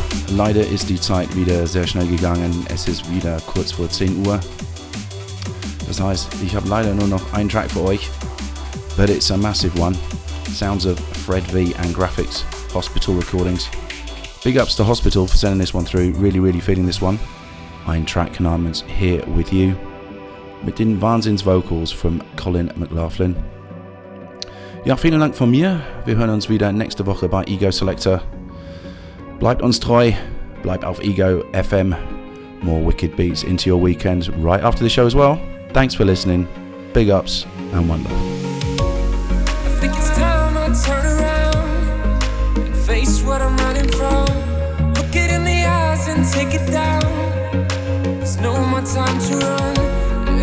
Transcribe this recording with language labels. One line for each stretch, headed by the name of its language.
German: Leider ist die Zeit wieder sehr schnell gegangen. Es ist wieder kurz vor 10 Uhr. Das heißt, ich habe leider nur noch einen Track für euch.
English: But it's a massive one. Sounds of Fred V and Graphics Hospital Recordings. Big ups to Hospital for sending this one through. Really, really feeling this one.
German: Ein Track
English: Commandments here with you.
German: Mit den Wahnsinns Vocals
English: from
German: Colin McLaughlin. Ja, vielen Dank von mir. Wir hören uns wieder nächste Woche bei Ego Selector. Bleibt uns treu, bleibt auf Ego FM.
English: More wicked beats into your weekend right after the show as well. Thanks for listening. Big ups and one love. I think it's time I turn around and face what I'm running from. Look it in the eyes and take it down. There's no more time to run.